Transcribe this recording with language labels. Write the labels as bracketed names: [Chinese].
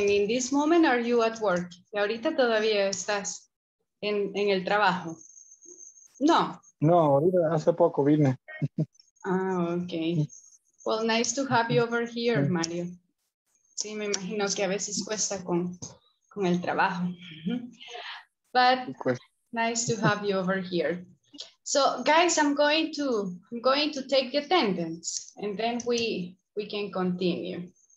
[English] And in this moment, are you at work? [Spanish] ¿Y ahorita todavía estás en el trabajo? No. No, ahorita hace poco vine. Ah, okay. [English] Well, nice to have you over here, Mario. [Spanish] Sí, me imagino que a veces cuesta con el trabajo. [English] But nice to have you over here. So, guys, I'm going to take the attendance, and then we can continue.